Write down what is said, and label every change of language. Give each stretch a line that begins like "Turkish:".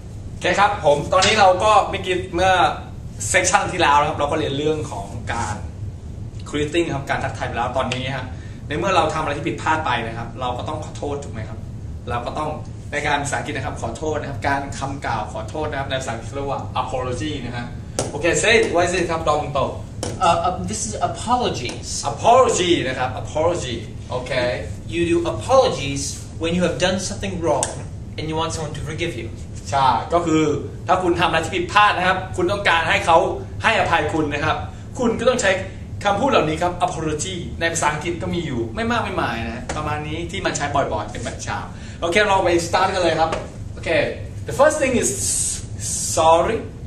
Thai: โอเคครับผมตอนนี้เราก็เมื่อกี้เมื่อเซสชั่นที่แล้วนะครับเราก็เรียนเรื่องของการครีตติ้งครับการทักทายไปแล้วตอนนี้ฮะในเมื่อเราทำอะไรที่ผิดพลาดไปนะครับเราก็ต้องขอโทษถูกไหมครับเราก็ต้องในการภาษาอังกฤษนะครับขอโทษนะครับการคำกล่าวขอโทษนะครับในภาษาอังกฤษเรียกว่า apology นะฮะโอเค
English: say it what is it
Thai: ครับตรงตัว
English: this is apologies apology นะครับ apology okay you do apologies when you have done something wrong and you want someone to forgive you
Thai: ใช่ก็คือถ้าคุณทำอะไรที่ผิดพลาดนะครับคุณต้องการให้เขาให้อภัยคุณนะครับคุณก็ต้องใช้คำพูดเหล่านี้ครับ apology ในภาษาอังกฤษก็มีอยู่ไม่มากไม่หมายนะประมาณนี้ที่มันใช้บ่อยๆเป็นแบบชาวโอเคเราไป start กันเลยครับโอเค
English: the first thing is sorry